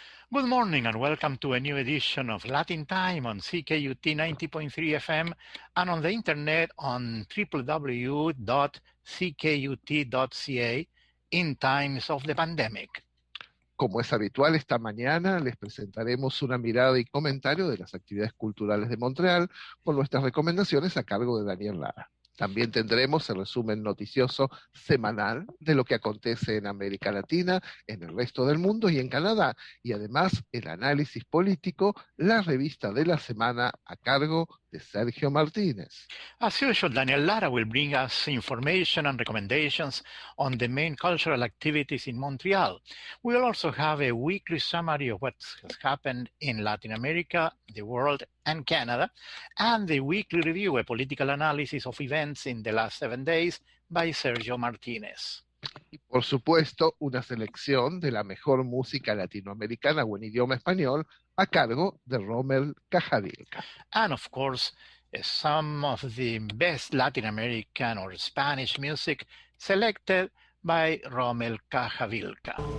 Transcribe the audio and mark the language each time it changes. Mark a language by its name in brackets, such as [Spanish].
[English] Good morning and welcome to a new edition of Latin Time on CKUT 90.3 FM and on the internet on www.ckut.ca in times of the pandemic. [Spanish] Como es habitual, esta mañana les presentaremos una mirada y comentario de las actividades culturales de Montreal con nuestras recomendaciones a cargo de Daniel Lara. También tendremos el resumen noticioso semanal de lo que acontece en América Latina, en el resto del mundo y en Canadá. Y además, el análisis político, la revista de la semana a cargo de Sergio Martínez. [English] As usual, Daniel Lara will bring us information and recommendations on the main cultural activities in Montreal. We will also have a weekly summary of what has happened in Latin America, the world, and Canada, and the weekly review, a political analysis of events in the last 7 days, by Sergio Martínez. [Spanish] Y por supuesto, una selección de la mejor música latinoamericana o en idioma español a cargo de Rommel Cajavilca. [English] And of course, some of the best Latin American or Spanish music selected by Rommel Cajavilca.